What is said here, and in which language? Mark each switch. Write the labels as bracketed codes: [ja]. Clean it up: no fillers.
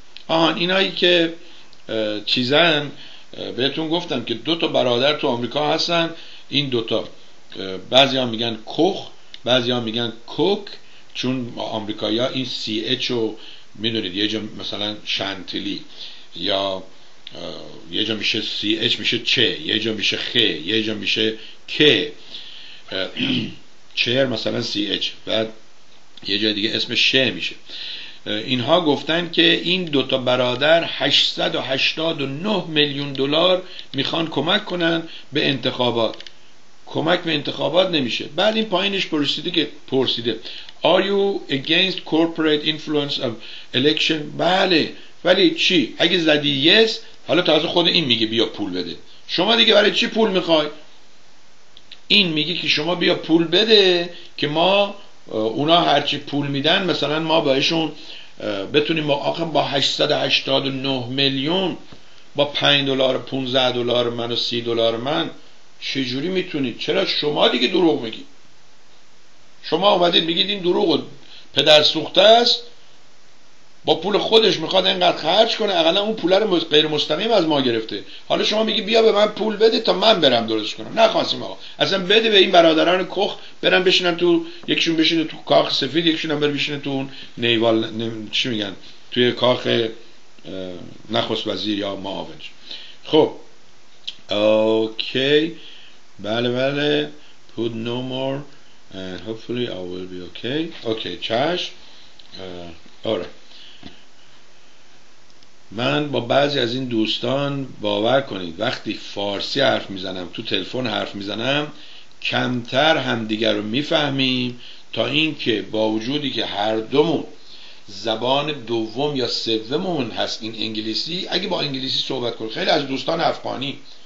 [fa] آهان، اینایی که چیزن بهتون گفتم که دو تا برادر تو آمریکا هستن، این دوتا بعضی ها میگن کوخ بعضی ها میگن کوک، چون آمریکایی ها این سی اچ رو میدونید یه جا مثلا شنتلی یا یه جا میشه سی اچ میشه چه، یه جا میشه خه، یه جا میشه که، چهر مثلا سی اچ و یه جای دیگه اسم شه میشه. اینها گفتن که این دوتا برادر 889 میلیون دلار میخوان کمک کنن به انتخابات. کمک به انتخابات نمیشه. بعد این پایینش پرسیده که [en] Are you against corporate influence of election؟ [fa] بله. ولی چی؟ اگه زدی yes، حالا تازه خود این میگه بیا پول بده. شما دیگه برای چی پول میخوای؟ این میگه که شما بیا پول بده که ما اونا هرچی پول میدن مثلا ما بهشون بتونیم، ما آخه با 889 میلیون با 5 دلار 15 دلار من و 30 دلار من چجوری میتونید؟ چرا شما دیگه دروغ میگید؟ شما اومدید میگید این دروغ و پدر سوخته است، با پول خودش میخواد اینقدر خرج کنه، اقلا اون پول رو غیر مستقیم از ما گرفته، حالا شما میگی بیا به من پول بده تا من برم درست کنم. نخواستیم آقا، اصلا بده به این برادران کخ برن بشینن تو، یکیشون بشینه تو کاخ سفید، یکیشون هم بره بشینه تو اون نیوال چی میگن توی کاخ نخست وزیر یا معاونش. خب اوکی، بله بله، [en] put no more and hopefully I will be okay. [fa] اوکی چش آره، من با بعضی از این دوستان باور کنید وقتی فارسی حرف میزنم، تو تلفن حرف میزنم، کمتر همدیگر رو میفهمیم تا اینکه با وجودی که هر دومون زبان دوم یا سوممون هست این انگلیسی، اگه با انگلیسی صحبت کنیم، خیلی از دوستان افغانی